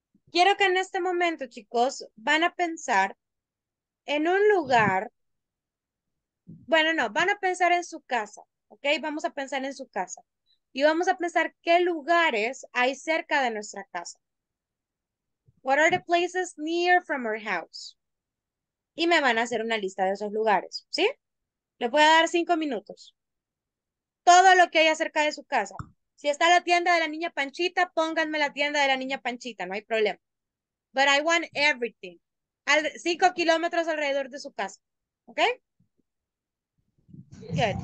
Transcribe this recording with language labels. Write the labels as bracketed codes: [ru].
[es] Quiero que en este momento, chicos, van a pensar en un lugar. Bueno, no, van a pensar en su casa, ¿ok? Vamos a pensar en su casa. Y vamos a pensar qué lugares hay cerca de nuestra casa. [en] What are the places near from our house? [es] Y me van a hacer una lista de esos lugares, ¿sí? Le voy a dar 5 minutos. Todo lo que hay cerca de su casa. Si está la tienda de la niña Panchita, pónganme la tienda de la niña Panchita, no hay problema. [en] But I want everything. [es] 5 kilómetros alrededor de su casa, ¿ok? Good.